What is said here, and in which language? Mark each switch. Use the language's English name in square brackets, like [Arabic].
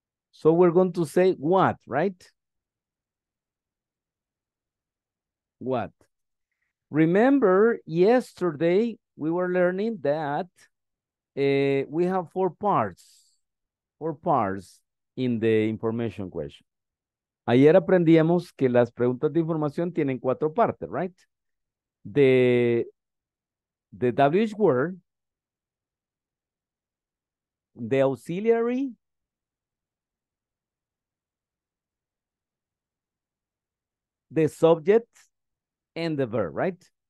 [English] So we're going to say what, right? What? Remember, yesterday we were learning that we have four parts in the information question. [Spanish] Ayer aprendíamos que las preguntas de información tienen cuatro partes, right? [English] The WH word, the auxiliary, the subject, and the verb, right?